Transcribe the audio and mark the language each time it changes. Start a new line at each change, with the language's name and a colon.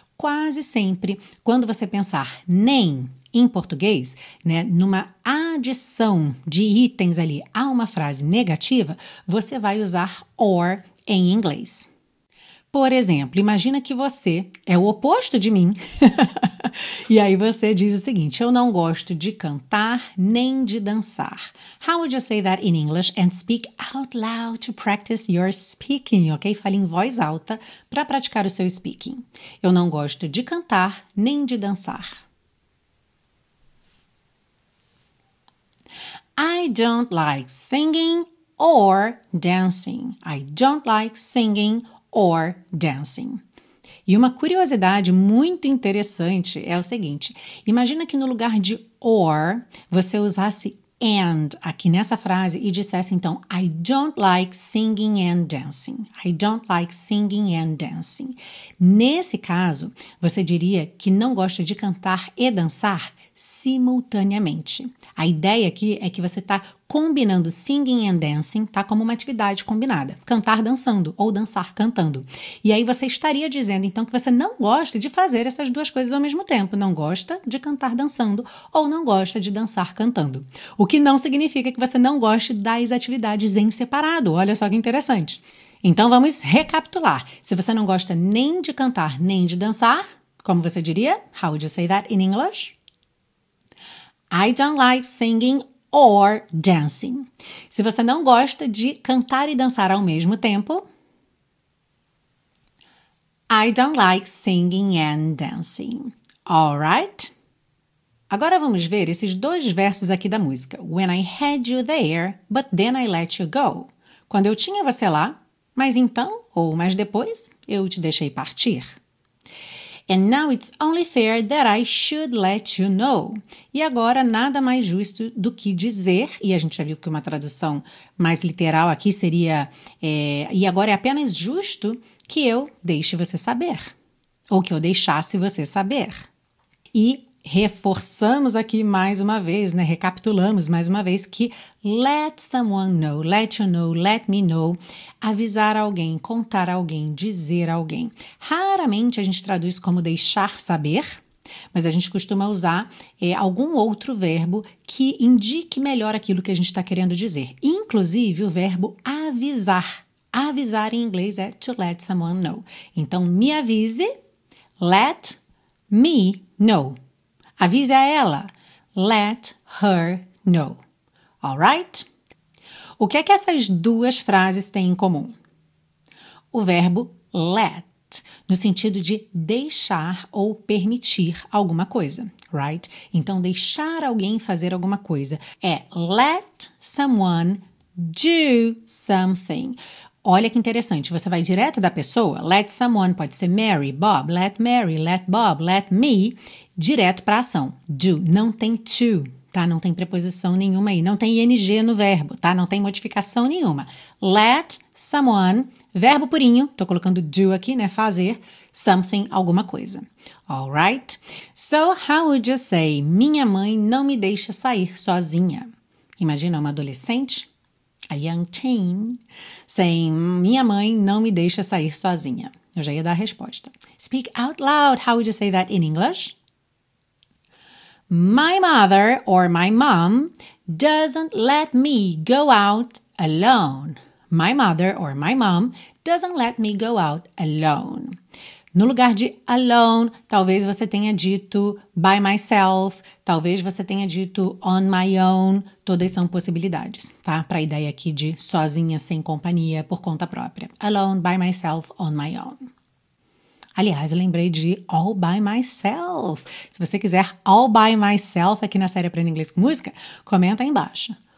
Portuguese: Quase sempre, quando você pensar nem em português, né, numa adição de itens ali a uma frase negativa, você vai usar or em inglês. Por exemplo, imagina que você é o oposto de mim. E aí você diz o seguinte, eu não gosto de cantar nem de dançar.
English: How would you say that in English and speak out loud to practice your speaking, ok?
Portuguese: Fale em voz alta para praticar o seu speaking. Eu não gosto de cantar nem de dançar.
English: I don't like singing or dancing. I don't like singing or dancing.
Portuguese: E uma curiosidade muito interessante é o seguinte. Imagina que no lugar de or, você usasse and aqui nessa frase e dissesse então,
English: I don't like singing and dancing. I don't like singing and dancing.
Portuguese: Nesse caso, você diria que não gosta de cantar e dançar simultaneamente. A ideia aqui é que você está combinando
English: singing and dancing,
Portuguese: tá, como uma atividade combinada. Cantar dançando ou dançar cantando. E aí você estaria dizendo, então, que você não gosta de fazer essas duas coisas ao mesmo tempo. Não gosta de cantar dançando ou não gosta de dançar cantando. O que não significa que você não goste das atividades em separado. Olha só que interessante. Então, vamos recapitular. Se você não gosta nem de cantar nem de dançar, como você diria?
English: How would you say that in English? I don't like singing or dancing.
Portuguese: Se você não gosta de cantar e dançar ao mesmo tempo,
English: I don't like singing and dancing. All right?
Portuguese: Agora vamos ver esses dois versos aqui da música.
English: When I had you there, but then I let you go.
Portuguese: Quando eu tinha você lá, mas então, ou mas depois, eu te deixei partir.
English: And now it's only fair that I should let you know.
Portuguese: E agora nada mais justo do que dizer, e a gente já viu que uma tradução mais literal aqui seria, e agora é apenas justo que eu deixe você saber, ou que eu deixasse você saber. E reforçamos aqui mais uma vez, né? Recapitulamos mais uma vez que
English: let someone know, let you know, let me know,
Portuguese: avisar alguém, contar alguém, dizer alguém. Raramente a gente traduz como deixar saber, mas a gente costuma usar algum outro verbo que indique melhor aquilo que a gente está querendo dizer. Inclusive o verbo avisar. Avisar em inglês é to let someone know. Então me avise,
English: let me know.
Portuguese: Avise a ela,
English: let her know, all right?
Portuguese: O que é que essas duas frases têm em comum? O verbo let, no sentido de deixar ou permitir alguma coisa, right? Então, deixar alguém fazer alguma coisa é
English: let someone do something.
Portuguese: Olha que interessante, você vai direto da pessoa, let someone, pode ser Mary, let Bob, let me, direto para a ação, do, não tem to, tá? Não tem preposição nenhuma aí, não tem ing no verbo, tá? Não tem modificação nenhuma. Let someone, verbo purinho, tô colocando do aqui, né? Fazer something, alguma coisa.
English: All right? So, how would you say,
Portuguese: minha mãe não me deixa sair sozinha? Imagina uma adolescente.
English: A young teen, saying,
Portuguese: minha mãe não me deixa sair sozinha. Eu já ia dar a resposta.
English: Speak out loud. How would you say that in English? My mother or my mom doesn't let me go out alone. My mother or my mom doesn't let me go out alone.
Portuguese: No lugar de alone, talvez você tenha dito
English: by myself,
Portuguese: talvez você tenha dito
English: on my own,
Portuguese: todas são possibilidades, tá? Para a ideia aqui de sozinha, sem companhia, por conta própria.
English: Alone, by myself, on my own.
Portuguese: Aliás, lembrei de all by myself. Se você quiser all by myself aqui na série Aprenda Inglês com Música, comenta aí embaixo.